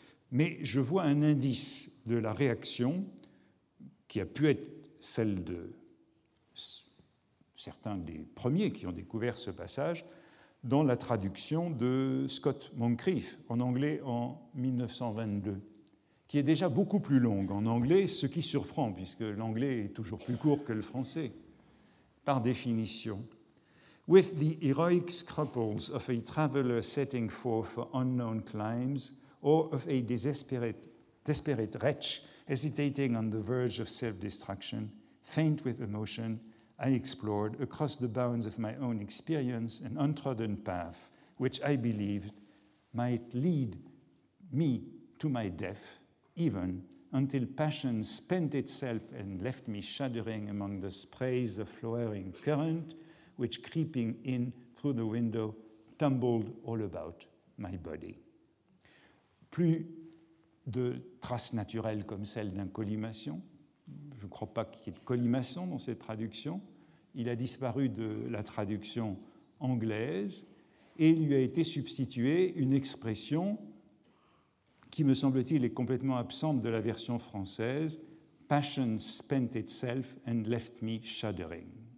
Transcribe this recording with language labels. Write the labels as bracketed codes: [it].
[fr] Mais je vois un indice de la réaction qui a pu être celle de certains des premiers qui ont découvert ce passage dans la traduction de Scott Moncrief en anglais en 1922, qui est déjà beaucoup plus longue en anglais, ce qui surprend, puisque l'anglais est toujours plus court que le français, par définition. [en] « With the heroic scruples of a traveller setting forth for unknown climes, or of a desperate wretch hesitating on the verge of self-destruction, faint with emotion, I explored across the bounds of my own experience an untrodden path which I believed might lead me to my death, even until passion spent itself and left me shuddering among the sprays of flowering current which, creeping in through the window, tumbled all about my body. » [fr] Plus de traces naturelles comme celle d'un collimation. Je ne crois pas qu'il y ait de collimation dans cette traduction. Il a disparu de la traduction anglaise et lui a été substituée une expression qui, me semble-t-il, est complètement absente de la version française, « [en] Passion spent itself and left me shuddering ».